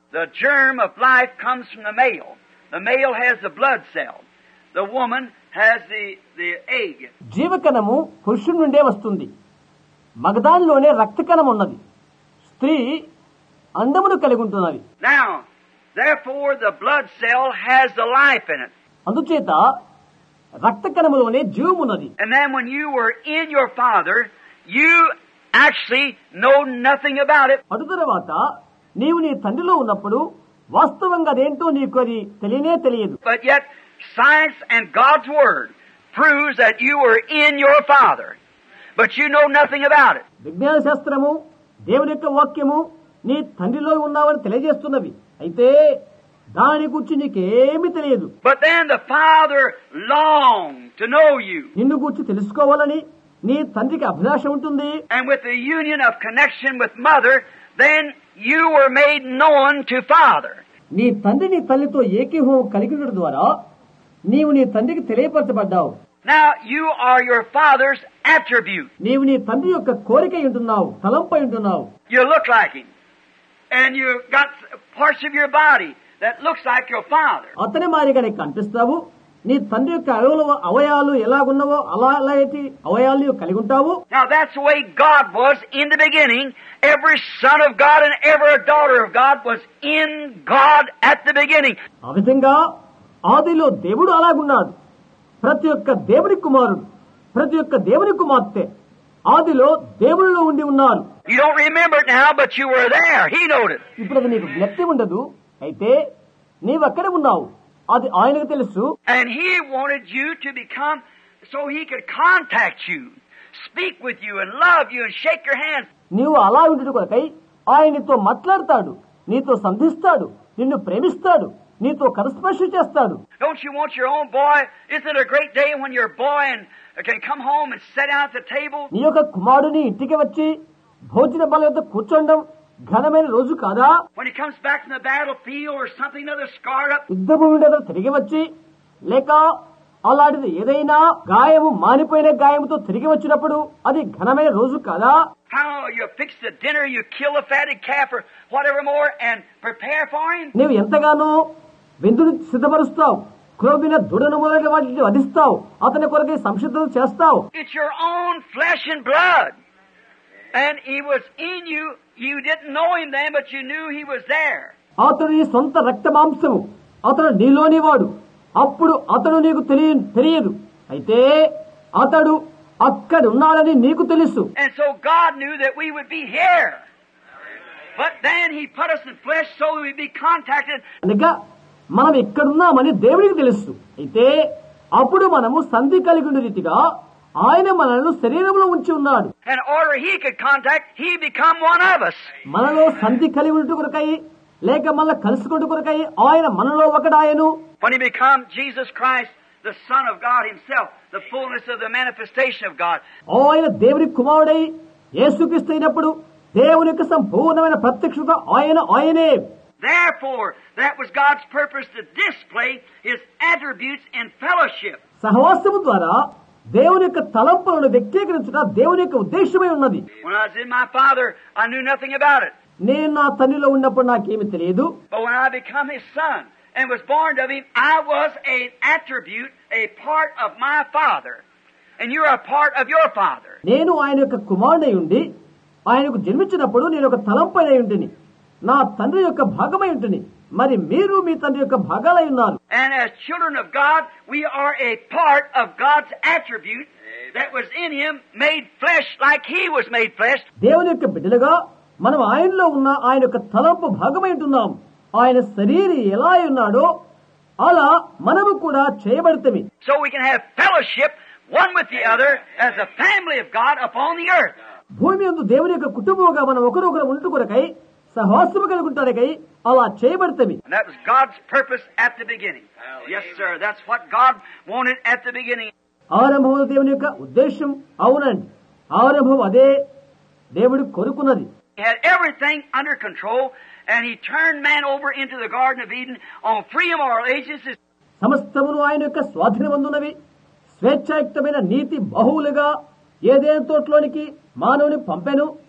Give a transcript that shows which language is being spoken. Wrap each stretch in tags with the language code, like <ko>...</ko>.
<en>The germ of life comes from the male. The male has the blood cell. The woman has the egg.</en> <te>జీవకణము పురుషుడి నుండే వస్తుంది. మగదానిలోనే రక్తకణం ఉన్నది. స్త్రీ అండమును కలిగి ఉంటున్నది.</te> <en>Now, therefore the blood cell has the life in it.</en> <te>అందుచేత రక్తకణములోనే జీవమున్నది.</te> <en>And then when you were in your father, you actually know nothing about it.</en> <te>అటు తర్వాత నీవు నీ తండ్రిలో ఉన్నప్పుడు వాస్తవంగా అదేంటో నీకు అది తెలియనే తెలియదు.</te> <en>But yet science and God's word proves that you were in your father, but you know nothing about it.</en> <te>విజ్ఞాన శాస్త్రము, దేవుని యొక్క వాక్యము నీ తండ్రిలో ఉన్నావని తెలియజేస్తున్నవి, అయితే దాని గురించి నీకేమీ తెలియదు.</te> <en>But then the father longed to know you.</en> <te>నిన్ను గురించి తెలుసుకోవాలని నీ తండ్రికి అభిలాష ఉంటుంది.</te> <en>And with the union of connection with mother, then you were made known to father.</en> <te>నీ తండ్రిని తల్లితో ఏకీభావం కలిగినడు ద్వారా నీవు నీ తండ్రికి తెలియపరచబడ్డావు.</te> <en>Now you are your father's attribute.</en> <te>నీవు నీ తండ్రి యొక్క కోరిక ఉంటున్నావు, తలంపై ఉంటున్నావు.</te> <en>You look like him. And you've got parts of your body that looks like your father.</en> <te>అతని మారిగానే కనిపిస్తావు. నీ తండ్రి యొక్క అవయవాలు ఎలాగున్నావో అలాంటి అవయవాలు కలిగి ఉంటావు.</te> <en>Now that's the way God was in the beginning. Every son of God and every daughter of God was in God at the beginning.</en> <te>ఆ విధంగా ఆదిలో దేవుడు అలాగున్నాడు. ప్రతి ఒక్క దేవుని కుమారుడు, ప్రతి ఒక్క దేవుని కుమార్తె ఆదిలో దేవుళ్ళు ఉండి ఉన్నారు.</te> <en>You don't remember now, but you were there. He knowed it.</en> <te>ఇప్పుడు నీకు జ్ఞప్తి ఉండదు, అయితే నీవు అక్కడ ఉన్నావు, అది ఆయనకు తెలుసు.</te> <en>And he wanted you to become so he could contact you, speak with you and love you and shake your hand.</en> <te>నీవు అలా ఉండడు కొరకై ఆయనతో మాట్లాడతాడు, నీతో సంధిస్తాడు, నిన్ను ప్రేమిస్తాడు, నీతో కరస్పర్శ చేస్తాడు.</te> <en>Don't you want your own boy? Isn't it a great day when your boy and can come home and sit down at the table?</en> <te>నీ యొక్క కుమారుని ఇంటికి వచ్చి భోజన బల వద్ద కూర్చోండం ఘనమైన రోజు కాదా?</te> <en>When he comes back from the battlefield or something other scarred up,</en> <te>యుద్ధ భూమి నుండి తిరిగి వచ్చి లేక అలాంటిది ఏదైనా గాయము మానిపోయిన గాయముతో తిరిగి వచ్చినప్పుడు అది ఘనమైన రోజు కాదా?</te> <en>How you fix the dinner, you kill a fatted calf or whatever more and prepare for him?</en> <te>నీవు ఎంతగానో విందుని సిద్ధపరుస్తావు, క్రోమిన దూడను మొదలైన వాటిని వధిస్తావు, అతని కొరకు సంసిద్ధం చేస్తావు.</te> <en>It's your own flesh and blood. And he was in you. You didn't know him then, but you knew he was there.</en> <te>అతడు నీ సొంత రక్త మాంసము, అతడు నీలోనివాడు. అప్పుడు అతడు నీకు తెలియదు, అయితే అతడు అక్కడ ఉన్నాడని నీకు తెలుసు.</te> <en>And so God knew that we would be here. But then he put us in flesh so we'd be contacted.</en> <te>అనగా మనం ఇక్కడున్నామని దేవుడికి తెలుసు, అయితే అప్పుడు మనము సంధి కలిగి ఉన్న రీతిగా ఆయన మనల్ని శరీరంలో ఉంచి ఉన్నాడు.</te> <en>And or he could contact, he become one of us.</en> <te>మనలో సంధి కలిగి ఉండుట కొరకై లేక మనల్ని కలుసుకుంటు కొరకై ఆయన మనలో ఒకడాయను.</te> <en>When he become Jesus Christ, the Son of God himself, the fullness of the manifestation of God.</en> <te>ఆయన దేవుని కుమారుడై యేసుక్రీస్తు అయినప్పుడు దేవుని యొక్క సంపూర్ణమైన ప్రత్యక్షత ఆయన ఆయనే.</te> <en>Therefore, that was God's purpose to display his attributes in fellowship.</en> <te>సహవాసము ద్వారా దేవుని యొక్క తలంపులను వ్యక్తీకరించుట దేవుని యొక్క ఉద్దేశమే ఉన్నది.</te> <en>When I was in my father, I knew nothing about it.</en> <te>నేను నా తల్లిలో ఉన్నప్పుడు నాకేమీ తెలియదు.</te> <en>But when I became his son and was born of him, I was an attribute, a part of my father. And you're a part of your father.</en> <te>నేను ఆయన యొక్క కుమారుడై ఉండి ఆయనకు జన్మించినప్పుడు నేను ఒక తలంపులై ఉండిని, నా తండ్రి యొక్క భాగమై ఉంటుంది, మరి మీరు మీ తండ్రి యొక్క భాగాలై ఉన్నారు.</te> <en>And as children of God, we are a part of God's attribute that was in him made flesh like he was made flesh.</en> <te>దేవుని యొక్క బిడ్డలుగా మనం ఆయనలో ఉన్న ఆయన యొక్క తలంపు భాగమై ఉంటున్నాం. ఆయన శరీరం ఎలా ఉన్నాడో అలా మనము కూడా చేయబడతాము.</te> <en>So we can have fellowship one with the other as a family of God upon the earth.</en> <te>భూమి యందు దేవుని యొక్క కుటుంబముగా మనం ఒకరొకరు ఉంటూ కొరకై సహవాసము కలుగుతారకై అలా చేయబడతాము.</te> <en>That was God's purpose at the beginning. Yes sir, that's what God wanted at the beginning.</en> <te>ఆరంభము దేవుని యొక్క ఉద్దేశం అవునండి, ఆరంభము అదే దేవుడు కోరుకున్నది.</te> <en>He had everything under control and he turned man over into the Garden of Eden on free moral agencies.</en> <te>సమస్తమును ఆయన యొక్క స్వాధీనమందునవి, స్వేచ్ఛాయుక్తమైన నీతి బహువులుగా ఏదేన తోటలోనికి మానవుని పంపెను.</te>